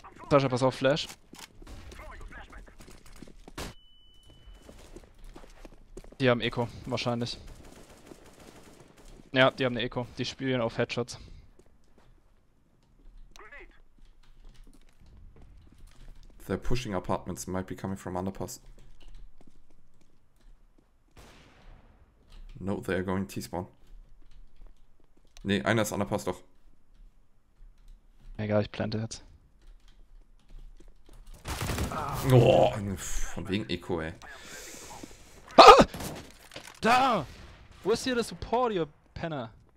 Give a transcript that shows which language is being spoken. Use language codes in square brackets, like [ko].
[de] Sascha, pass auf, Flash. Die haben Eco, wahrscheinlich. Ja, die haben eine Eco, die spielen auf Headshots. [en] They're pushing apartments, might be coming from underpass. No, they are going T-spawn. [de] Ne, einer ist underpass doch. Egal, ich plante jetzt. Oh, von wegen Eco, ey. Ah! Da! Wo ist hier der Support, ihr Penner?